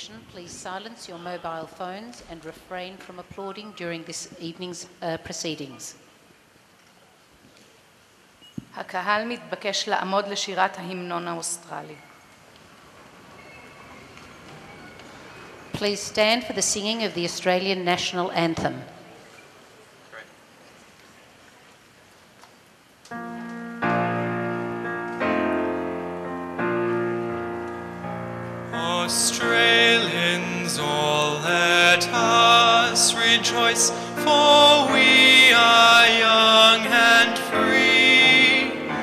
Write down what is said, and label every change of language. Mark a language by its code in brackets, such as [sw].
[en] Please silence your mobile phones and refrain from applauding during this evening's proceedings. [he] הקהל מתבקש לעמוד לשירת ההמנון האוסטרלי. [en] Please stand for the singing of the Australian National Anthem. Australians, all let us rejoice, for we are young and free.